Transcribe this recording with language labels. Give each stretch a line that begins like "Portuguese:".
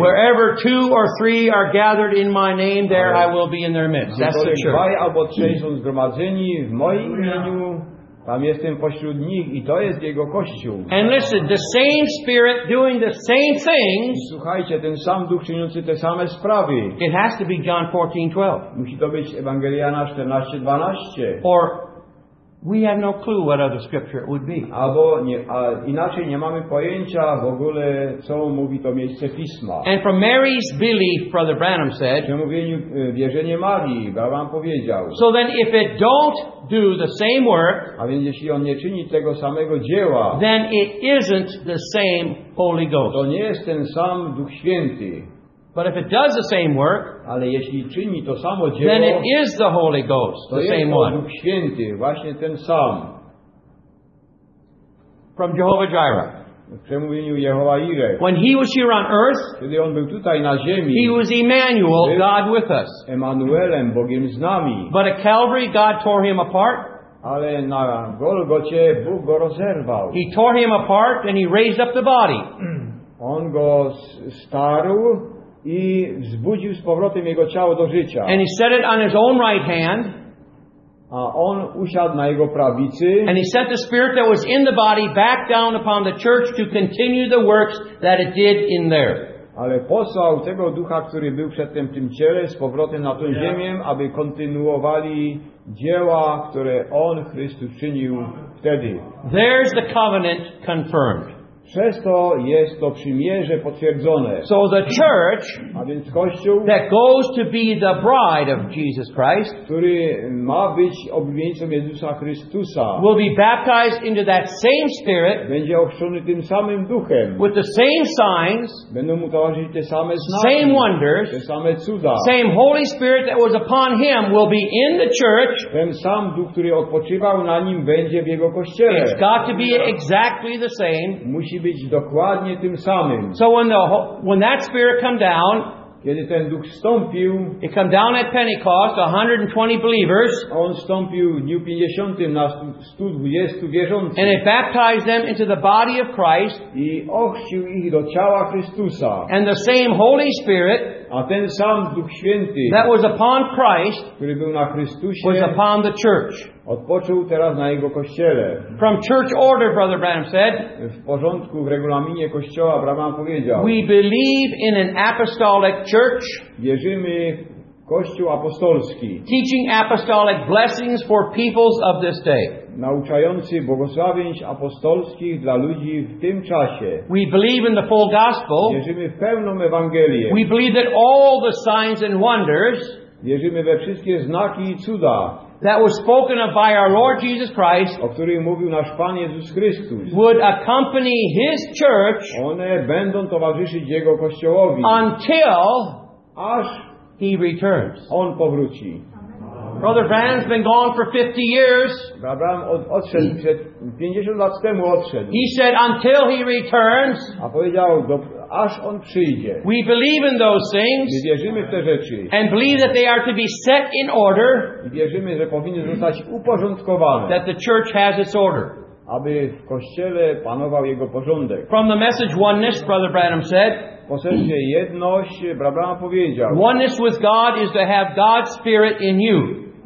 English: Wherever two or three are gathered in my name, there I will be in their midst. That's the church.
Polish: Dwaj albo trzej są zgromadzeni w moim imieniu, tam jestem pośród nich i to jest jego kościół.
English: And listen, the same spirit doing the same things.
Polish: Słuchajcie, ten sam duch czyniący te same sprawy.
English: It has to be John 14:12.
Polish: Musi to być Ewangelia na 14:12.
English: Or we have no clue what other scripture it would be.
Polish: Albo nie, inaczej nie mamy pojęcia w ogóle, co mówi to miejsce pisma.
English: And from Mary's belief, Brother Branham said.
Polish: Przemówieniu wierzenie Marii, Branham powiedział.
English: So then, if it don't do the same work,
Polish: a więc jeśli on nie czyni tego samego dzieła,
English: then it isn't the same Holy Ghost.
Polish: To nie jest ten sam Duch Święty.
English: But if it does the same work,
Polish: ale jeśli czyni to samo dzieło,
English: then it is the Holy Ghost, the same one.
Polish: To jest Duch Święty, właśnie ten sam.
English: From Jehovah Jireh.
Polish: W przemówieniu Jehova Jireh.
English: When he was here on earth,
Polish: kiedy on był tutaj na ziemi,
English: he was Emmanuel, God with us.
Polish: Emanuelem, Bogiem z nami.
English: But at Calvary, God tore him apart.
Polish: Ale na Golgocie Bóg go rozerwał.
English: He tore him apart and he raised up the body.
Polish: On go starł i wzbudził z powrotem jego ciało do życia.
English: And he set it on his own right hand.
Polish: A on usiadł na jego prawicy.
English: And he set the spirit that was in the body back down upon the church to continue the works that it did in there.
Polish: Ale posłał tego ducha, który był przedtem w tym ciele, z powrotem na tę ziemię, aby kontynuowali dzieła, które on, Chrystus, czynił wtedy.
English: There's the covenant confirmed.
Polish: Przez to jest to przymierze potwierdzone.
English: So the church,
Polish: a więc Kościół,
English: that goes to be the bride of Jesus Christ,
Polish: który ma być oblubieńcem Jezusa Chrystusa,
English: will be baptized into that same spirit,
Polish: będzie ochrzczony tym samym duchem,
English: with the same signs,
Polish: będą mu towarzyszyć te same znaki,
English: same wonders,
Polish: te same cuda,
English: same Holy Spirit that was upon him will be in the church.
Polish: Ten sam duch, który odpoczywał na nim, będzie w jego kościele.
English: It's got to be exactly the same.
Polish: Musi być dokładnie tym samym.
English: So when that spirit come down,
Polish: kiedy ten duch stąpił,
English: it come down at Pentecost, 120 believers,
Polish: on stąpił w dniu 50 na 120 wierzących,
English: and it baptized them into the body of Christ,
Polish: i ochrzcił ich do ciała Chrystusa,
English: and the same Holy Spirit,
Polish: a ten sam Duch Święty,
English: that was upon Christ,
Polish: który był na Chrystusie,
English: was upon the church.
Polish: Odpoczął teraz na jego kościele.
English: From church order, Brother Branham said,
Polish: w porządku, w regulaminie kościoła, Branham powiedział,
English: we believe in an apostolic church,
Polish: wierzymy w kościół apostolski,
English: teaching apostolic blessings for peoples of this day,
Polish: nauczający błogosławieństw apostolskich dla ludzi w tym czasie.
English: We believe in the full gospel,
Polish: wierzymy w pełną Ewangelię.
English: We believe that all the signs and wonders,
Polish: wierzymy we wszystkie znaki i cuda,
English: that was spoken of by our Lord Jesus Christ,
Polish: o którym mówił nasz Pan Jezus Chrystus,
English: would accompany his church,
Polish: one będą towarzyszyć jego kościołowi,
English: until,
Polish: aż
English: he returns,
Polish: on powróci.
English: Brother Branham's been gone for 50 years.
Polish: Abraham odszedł, 50 lat temu odszedł.
English: He said, until he returns,
Polish: a powiedział, aż on przyjdzie.
English: We believe in those things,
Polish: my wierzymy w te rzeczy,
English: and believe that they are to be set in order,
Polish: i wierzymy, że powinny zostać uporządkowane,
English: that the church has its order,
Polish: aby w kościele panował jego porządek.
English: From the message oneness, Brother Branham said,
Polish: posłuchajcie, jedność, Branham powiedział,
English: oneness with God is to have God's Spirit in you.